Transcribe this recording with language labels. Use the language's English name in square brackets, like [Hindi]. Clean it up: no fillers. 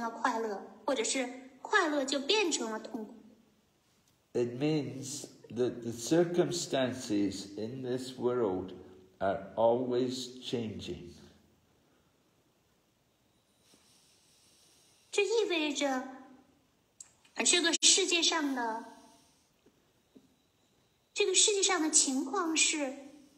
[Chinese] 但这并不意味着痛苦就变成了快乐，或者是快乐就变成了痛苦。 [English] It means that the circumstances in this world are always changing. [Chinese] 这意味着，这个世界上的情况是